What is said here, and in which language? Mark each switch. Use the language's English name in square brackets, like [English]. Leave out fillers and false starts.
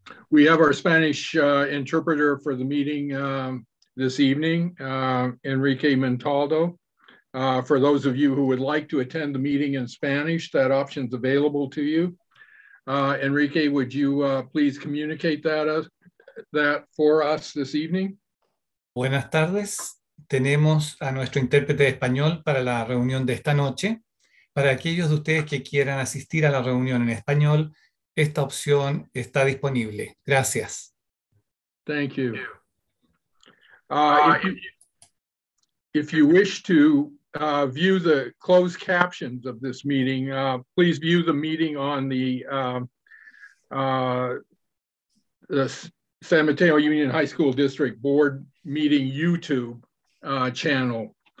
[English] We have our Spanish interpreter for the meeting this evening, Enrique Mentaldo. For those of you who would like to attend the meeting in Spanish, that option is available to you. Enrique, would you please communicate that for us this evening? [Spanish] Buenas tardes. Tenemos a nuestro intérprete de español para la reunión de esta noche. Para aquellos de ustedes que quieran asistir a la reunión en español, esta opción está disponible. Gracias. [English] Thank you. If you wish to view the closed captions of this meeting, please view the meeting on the San Mateo Union High School District Board Meeting YouTube channel.